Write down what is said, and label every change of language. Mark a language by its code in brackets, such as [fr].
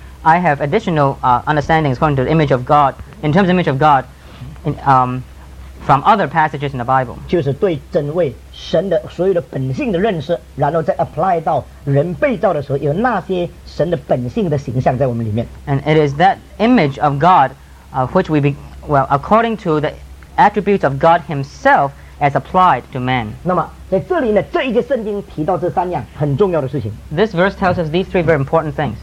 [en] I have additional understandings according to the image of God, in terms of the image of God, from other passages in the Bible. [zh] 就是对真位神的所有的本性的认识，然后再 apply 到人被造的时候，有那些神的本性的形象在我们里面。 [en] And it is that image of God, which we be, well, according to the attributes of God Himself as applied to man. [zh] 那么在这里呢，这一节圣经提到这三样很重要的事情。 [en] This verse tells us these three very important things.